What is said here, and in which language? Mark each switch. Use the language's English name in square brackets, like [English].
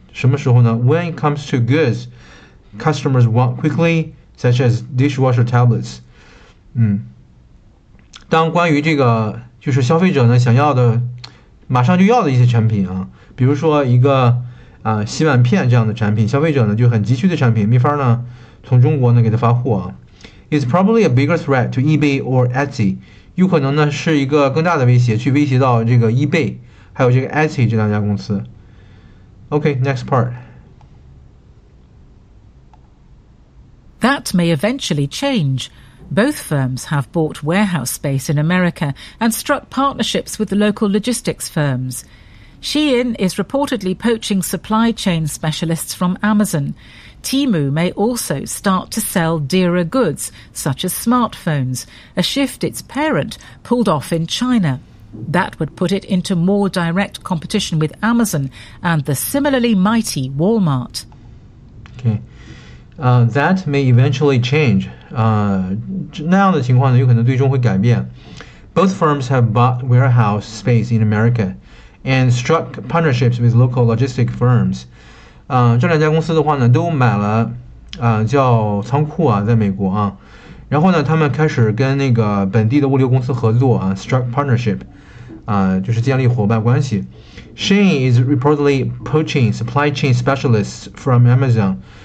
[Chinese] 什么时候呢 [English] ？When it comes to goods, customers want quickly, such as dishwasher tablets. [Chinese] 当关于这个就是消费者呢想要的，马上就要的一些产品啊，比如说一个洗碗片这样的产品，消费者呢就很急需的产品，没法呢从中国呢给他发货啊。 [English] It's probably a bigger threat to eBay or Etsy. [Chinese] 有可能呢是一个更大的威胁，去威胁到这个 eBay。还有这个 Etsy 这两家公司。 [English] Okay, next part. That may eventually change. Both firms have bought warehouse space in America and struck partnerships with local logistics firms. Shein is reportedly poaching supply chain specialists from Amazon. Temu may also start to sell dearer goods, such as smartphones, a shift its parent pulled off in China. That would put it into more direct competition with Amazon and the similarly mighty Walmart. Okay, that may eventually change. [Chinese] 那样的情况呢，有可能最终会改变。 [English] Both firms have bought warehouse space in America and struck partnerships with local logistic firms. [Chinese] 这两家公司的话呢，都买了叫仓库啊，在美国啊。然后呢，他们开始跟那个本地的物流公司合作啊 ， [English] struck partnership， [Chinese] 啊，就是建立伙伴关系。 [English] Shein is reportedly poaching supply chain specialists from Amazon。